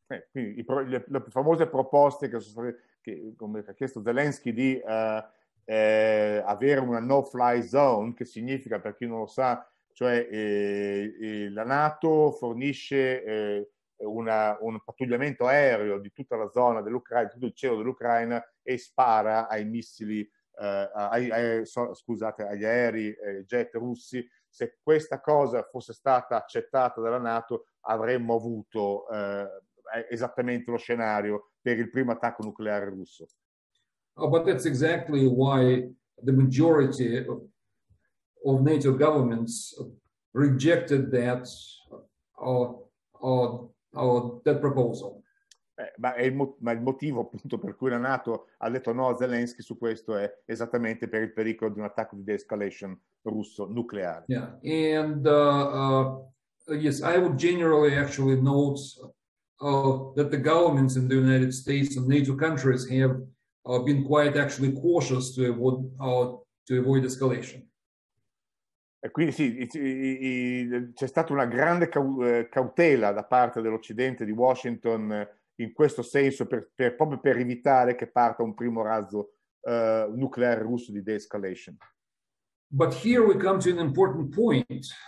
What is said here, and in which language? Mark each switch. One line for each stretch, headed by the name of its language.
Italian: Quindi le famose proposte come ha chiesto Zelensky di avere una no-fly zone, che significa, per chi non lo sa, cioè la NATO fornisce un pattugliamento aereo di tutta la zona dell'Ucraina, tutto il cielo dell'Ucraina, e spara ai missili, agli aerei jet russi. Se questa cosa fosse stata accettata dalla NATO, avremmo avuto esattamente lo scenario per il primo attacco nucleare russo.
English: Oh, but that's exactly why the majority of NATO governments rejected that that proposal.
Italian: Ma il motivo appunto per cui la NATO ha detto no a Zelensky su questo è esattamente per il pericolo di un attacco di de-escalation russo nucleare.
English: Yeah, and yes, I would generally actually note that the governments in the United States and NATO countries have been quite actually cautious to avoid escalation.
Italian: E quindi sì, c'è stata una grande cautela da parte dell'Occidente, di Washington, in questo senso, proprio per evitare che parta un primo razzo nucleare russo di de-escalation.
English: But here we come to an important point.